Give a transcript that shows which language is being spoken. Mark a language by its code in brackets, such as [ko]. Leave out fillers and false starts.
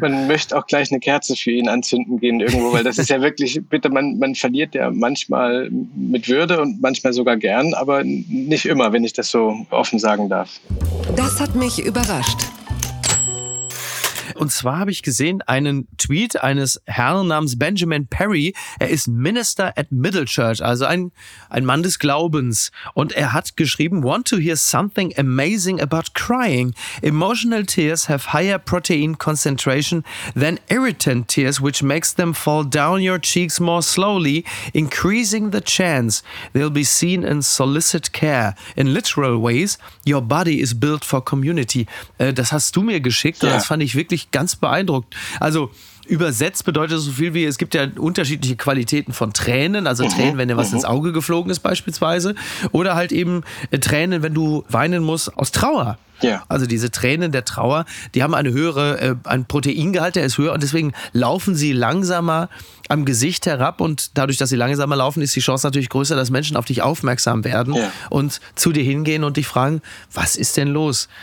[de] Man möchte auch gleich eine Kerze für ihn anzünden gehen irgendwo, weil das ist ja wirklich, bitte, man verliert ja manchmal mit Würde und manchmal sogar gern, aber nicht immer, wenn ich das so offen sagen darf. Das hat mich überrascht. Und zwar habe ich gesehen einen Tweet eines Herrn namens Benjamin Perry. Er ist Minister at Middlechurch, also ein Mann des Glaubens. Und er hat geschrieben, [en] want to hear something amazing about crying. Emotional tears have higher protein concentration than irritant tears, which makes them fall down your cheeks more slowly, increasing the chance they'll be seen and solicit care. In literal ways, your body is built for community. [de] Das hast du mir geschickt und das fand ich wirklich ganz beeindruckt. Also übersetzt bedeutet so viel wie, es gibt ja unterschiedliche Qualitäten von Tränen, also Tränen, wenn dir was ins Auge geflogen ist beispielsweise, oder halt eben Tränen, wenn du weinen musst aus Trauer. Also diese Tränen der Trauer, die haben eine höhere, ein Proteingehalt, der ist höher und deswegen laufen sie langsamer am Gesicht herab und dadurch, dass sie langsamer laufen, ist die Chance natürlich größer, dass Menschen auf dich aufmerksam werden und zu dir hingehen und dich fragen, was ist denn los?